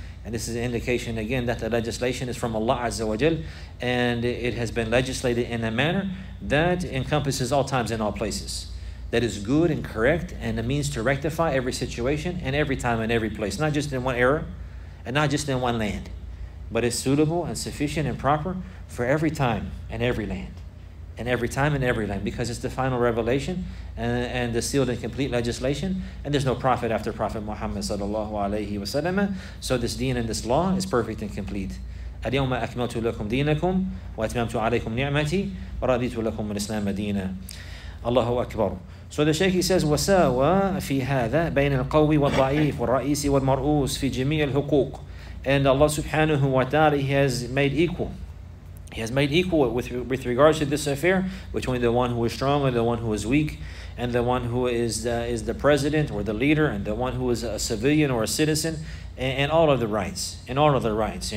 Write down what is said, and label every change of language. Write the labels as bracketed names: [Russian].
[English] And this is an indication, again, that the legislation is from Allah Azza wa Jal, and it has been legislated in a manner that encompasses all times and all places, that is good and correct and a means to rectify every situation and every time and every place, not just in one era and not just in one land, but it's suitable and sufficient and proper for every time and every land and every time and every land, because it's the final revelation and the sealed and complete legislation, and there's no prophet after Prophet Muhammad sallallahu alayhi wa sallam. So this deen and this law is perfect and complete. [Arabic] اليوم أكملت لكم دينكم وأتممت عليكم نعمتي ورضيت لكم الإسلام دينا. [English] Allahu Akbar. So the Shaykh, he says, [Arabic] وَسَاوَى فِي هَذَا بَيْنَ الْقَوِّ وَالضَّعِيفِ وَالرَّئِيسِ وَالْمَرْؤُوسِ فِي جَمِيعِ الْحُقُوقِ. [English] And Allah subhanahu wa ta'ala, He has made equal. He has made equal with regards to this affair between the one who is strong and the one who is weak, and the one who is the president or the leader, and the one who is a civilian or a citizen, and all of the rights. And all of the rights.